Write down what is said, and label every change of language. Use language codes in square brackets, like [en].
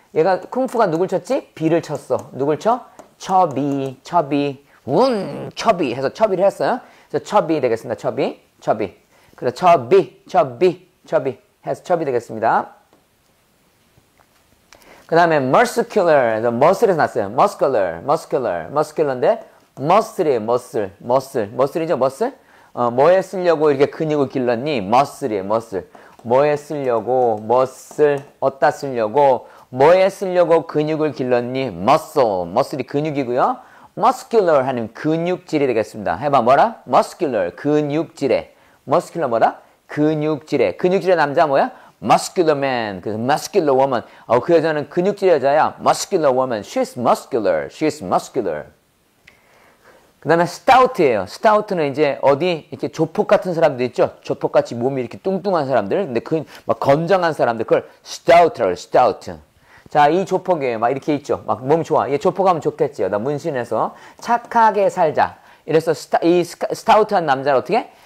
[ko] 얘가 쿵푸가 누굴 쳤지? 비를 쳤어. 누굴 쳐? 처비. 운 처비 해서 처비를 했어요. 그래서 처비 되겠습니다. 처비. 그래서 처비 해서 처비 되겠습니다. 그 다음에 muscular, muscle에서 났어요. muscular, muscular, muscular인데 muscle이에요. [en] muscle, muscle, muscle이죠, muscle? [ko] 뭐에 쓰려고 이렇게 근육을 길렀니? [en] muscle이에요, muscle. [ko] 뭐에 쓰려고, muscle, 어디다 쓰려고, 뭐에 쓰려고 근육을 길렀니? muscle, muscle이 근육이고요. muscular 하는 근육질이 되겠습니다. 해봐, 뭐라? muscular, 근육질에. muscular 뭐라? 근육질에. 근육질의 남자 뭐야? [en] muscular man, [ko] 그래서 [en] muscular woman. [ko] 그 여자는 근육질 여자야. [en] muscular woman, she's muscular, she's muscular. [ko] 그 다음에 stout예요. stout는 이제 어디 이렇게 조폭 같은 사람들 있죠? 조폭같이 몸이 이렇게 뚱뚱한 사람들. 근데 그 막 건장한 사람들. 그걸 stout라고, stout. 자, 이 조폭이에요. 막 이렇게 있죠? 막 몸이 좋아. 얘 조폭하면 좋겠지요. 나 문신해서 착하게 살자. 이래서 이 stout한 남자를 어떻게?